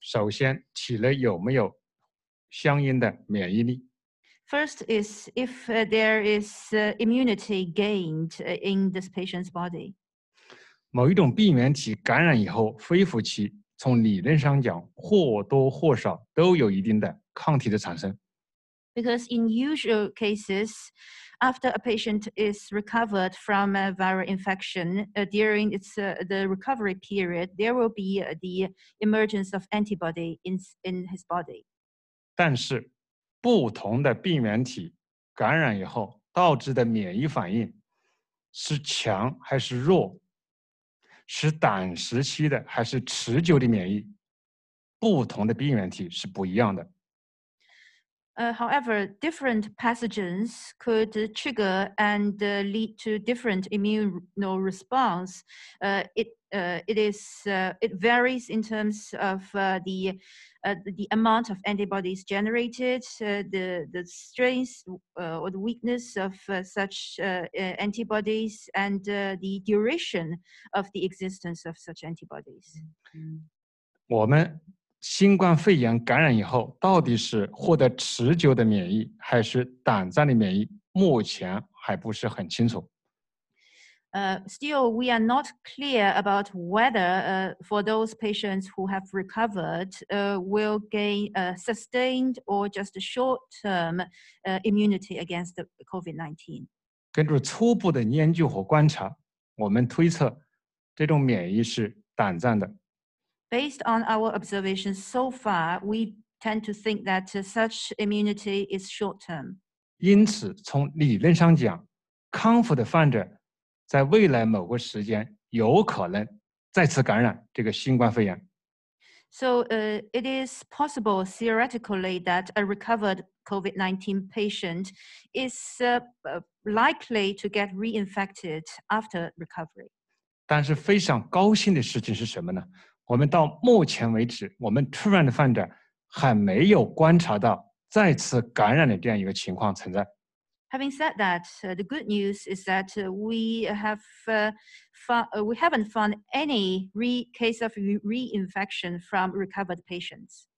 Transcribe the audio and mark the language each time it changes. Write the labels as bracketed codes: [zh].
[zh] 首先，体内有没有相应的免疫力。 [en] First is if there is immunity gained in this patient's body. [zh] 某一种病原体感染以后恢复期，从理论上讲或多或少都有一定的抗体的产生。 [en] Because in usual cases, after a patient is recovered from a viral infection, during its the recovery period, there will be the emergence of antibody in his body. [zh] 但是不同的病原体感染以后导致的免疫反应是强还是弱，是短时期的还是持久的免疫，不同的病原体是不一样的。 [en] However, different pathogens could trigger and lead to different immune response. It varies in terms of the amount of antibodies generated, the strength or the weakness of such antibodies, and the duration of the existence of such antibodies. [zh] 我们新冠肺炎感染以后，到底是获得持久的免疫还是短暂的免疫，目前还不是很清楚。 [en] Still, we are not clear about whether for those patients who have recovered will gain a sustained or just a short-term immunity against the COVID-19. [zh] 根据初步的研究和观察，我们推测这种免疫是短暂的。 [en] Based on our observations so far, we tend to think that such immunity is short-term. [zh] 因此，从理论上讲，康复的患者在未来某个时间有可能再次感染这个新冠肺炎。 [en] So, it is possible theoretically that a recovered COVID-19 patient is likely to get reinfected after recovery. [zh] 但是非常高兴的事情是什么呢？我们到目前为止，我们出院的患者还没有观察到再次感染的这样一个情况存在。 [en] Having said that, the good news is that we haven't found any case of reinfection from recovered patients.